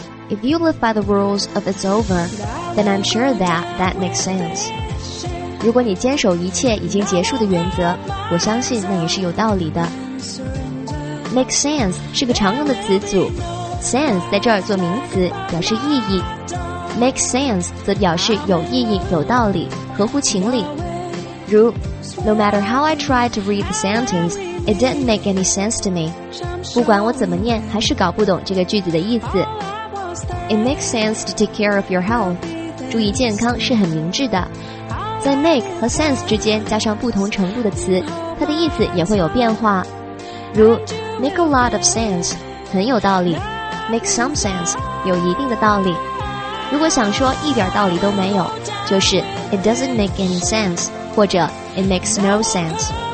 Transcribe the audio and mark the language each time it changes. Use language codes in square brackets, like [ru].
[en] If you live by the rules of it's over, then I'm sure that makes sense. [zh] 如果你坚守一切已经结束的原则，我相信那也是有道理的。 Make sense 是个常用的词组 ，sense 在这儿做名词，表示意义 ；make sense 则表示有意义、有道理、合乎情理。 [en] 如 ，No matter how I tried to read the sentence, it didn't make any sense to me。 [zh] 不管我怎么念，还是搞不懂这个句子的意思。 [en] It makes sense to take care of your health。 [zh] 注意健康是很明智的。在 make 和 sense 之间加上不同程度的词，它的意思也会有变化。如 [en] make a lot of sense [zh] 很有道理， [en] make some sense [zh] 有一定的道理。如果想说一点道理都没有，就是 [en] it doesn't make any sense [zh] 或者 [en] it makes no sense。